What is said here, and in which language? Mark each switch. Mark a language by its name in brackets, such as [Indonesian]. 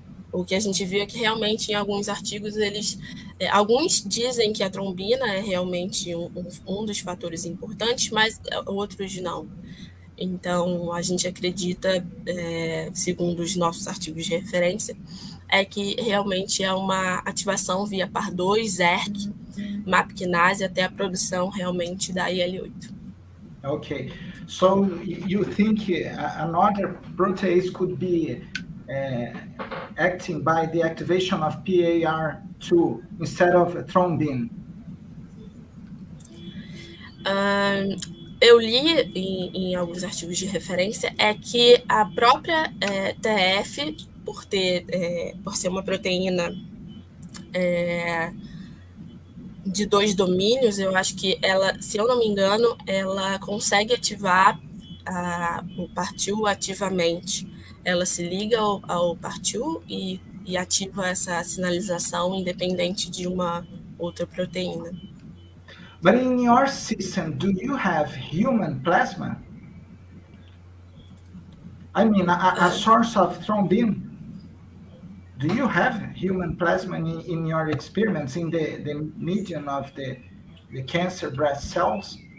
[Portuguese] O que a gente viu é que realmente em alguns artigos alguns dizem que a trombina é realmente um dos fatores importantes, mas outros não. Então, a gente acredita, segundo os nossos artigos de referência, é que realmente é uma ativação via PAR2, ERK, MAP kinase, até a produção realmente da IL-8. Ok. [English] So, you think another protease could be acting by the activation of PAR2 instead of thrombin? [Portuguese] Eu li em alguns artigos de referência é que a própria TF, por ser uma proteína de dois domínios, eu acho que ela, se eu não me engano, ela consegue ativar o PAR2 ativamente. Ela se liga ao PAR2 e ativa essa sinalização independente de uma outra proteína. [English] But in your system, do you have human plasma? I mean, a source of thrombin. Do you have human plasma in your experiments, in the medium of the cancer breast cells?